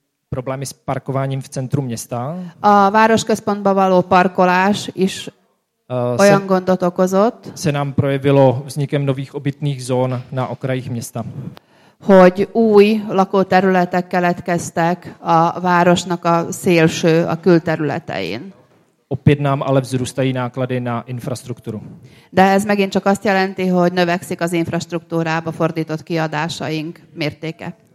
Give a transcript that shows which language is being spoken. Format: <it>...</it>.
<cs>Problémy s parkováním v centrum města.</cs> <hu>A városközpontba való parkolás is olyan gondot okozott.</hu> <cs>Se nám projevilo vznikem nových obytných zón na okrajích města.</cs> <hu>Hogy új lakóterületek keletkeztek a városnak a szélső, a külterületein.</hu> <cs>Opět nám ale vzrůstají náklady na infrastrukturu.</cs> <hu>De ez megint csak azt jelenti, hogy növekszik az infrastruktúrába fordított kiadásaink mértéke.</hu>